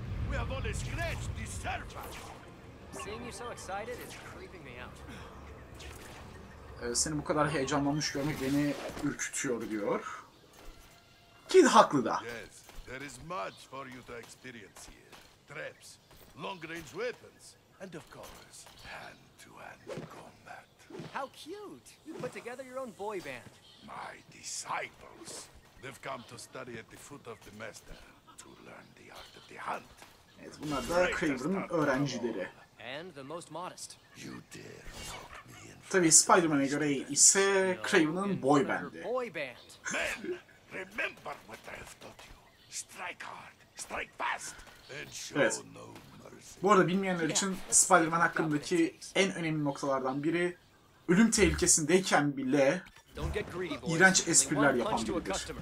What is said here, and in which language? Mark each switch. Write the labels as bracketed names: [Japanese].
[English] We have only scratched the surface. Seeing you so excited is creeping me out. [Turkish] Seni bu kadar heyecanlanmış görmek beni ürkütüyor diyor. Kid haklı da. [English] Yes, there is much for you to experience here. Traps, long range weapons, and of course, hand to hand combat. How cute! You put together your own boy band. My disciples. They've come to study at the foot of the master to learn the art of the hunt. [Turkish] Evet, bunlar da Kraven'ın öğrencileri. [English] And the most modest. You dare poke me in front. [Turkish] Tabii Spider-Man'e göre ise Kraven'ın boy bandı. [English] Boy band. Men, remember what I have taught you. Strike hard, strike fast. And show [Turkish] evet. [English] No mercy. [Turkish] Bu arada bilmeyenler için Spider-Man hakkındaki en önemli noktalardan biri ölüm tehlikesindeyken bile iğrenç espriler yapan biridir.